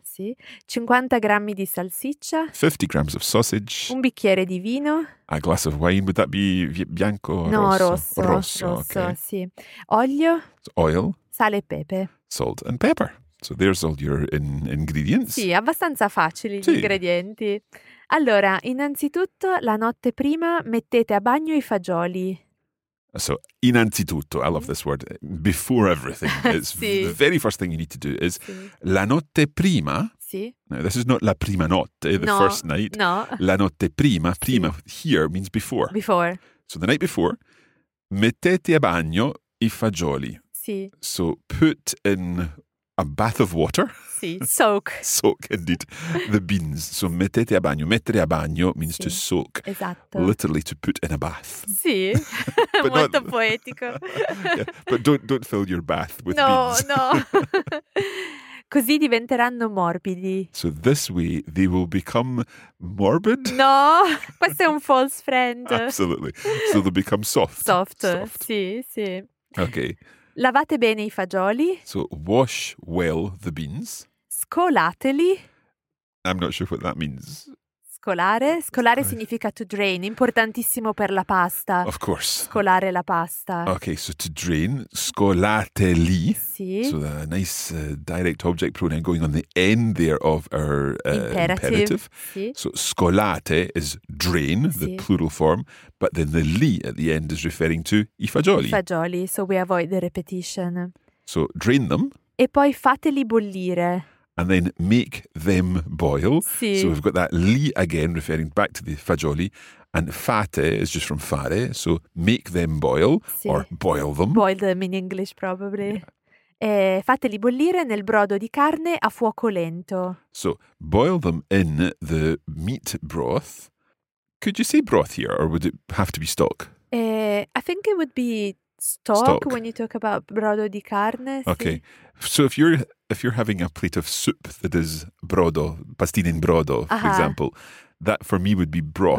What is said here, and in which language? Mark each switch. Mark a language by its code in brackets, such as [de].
[it] Sì. 50 grammi di salsiccia. [en] 50 grams of sausage. [it] Un bicchiere di vino. [en] A glass of wine. Would that be [it] bianco o [en] no, [it] rosso? No, rosso. [en] Okay. [it] Sì. Olio. [en] So oil. [it] Sale e pepe. [en] Salt and pepper. So there's all your ingredients. [it] Sì, abbastanza facili gli ingredienti. Allora, innanzitutto, la notte prima mettete a bagno i fagioli. [en] So, innanzitutto, I love this word, before everything, it's the very first thing you need to do is [it] la notte prima. Sì. [en] Now, this is not [it] la prima notte, [en] the first night. No. [it] La notte prima, [en] prima here means before. Before. So, the night before, [it] mettete a bagno I fagioli. Sì. [en] So, put in a bath of water. Sì, soak. Soak, indeed. The beans. So, [it] mettete a bagno. Mettere a bagno [en] means to soak. [it] Esatto. [en] Literally, to put in a bath. [it] Sì. [en] But [it] molto [en] not... [it] poetico. [en] Yeah. But don't fill your bath with beans. No, no. [it] Così diventeranno morbidi. [en] So this way they will become morbid? [it] No, questo è un [en] false friend. Absolutely. So they'll become soft. Soft. Soft, sì, sì. Okay. [it] Lavate bene I fagioli. [en] So wash well the beans. [it] Scolateli. [en] I'm not sure what that means. [it] Scolare. Scolare significa [en] to drain. [it] Importantissimo per la pasta. [en] Of course. [it] Scolare la pasta. [en] Okay, so to drain. Scolateli. [it] Sì. [en] So a nice direct object pronoun going on the end there of our imperative. [it] Sì. [en] So scolate is drain, the plural form. But then the li at the end is referring to I fagioli. I fagioli. So we avoid the repetition. So drain them. [it] E poi fateli bollire. [en] And then make them boil. [it] Sì. [en] So we've got that li again, referring back to the fagioli. And fate is just from fare. So make them boil or boil them. Boil them in English, probably. Yeah. [it] Fateli bollire nel brodo di carne a fuoco lento. [en] So boil them in the meat broth. Could you say broth here or would it have to be stock? I think it would be stock when you talk about [it] brodo di carne. [en] Okay. So if you're having a plate of soup that is brodo, [it] pastine in brodo, [en] for example, that for me would be broth.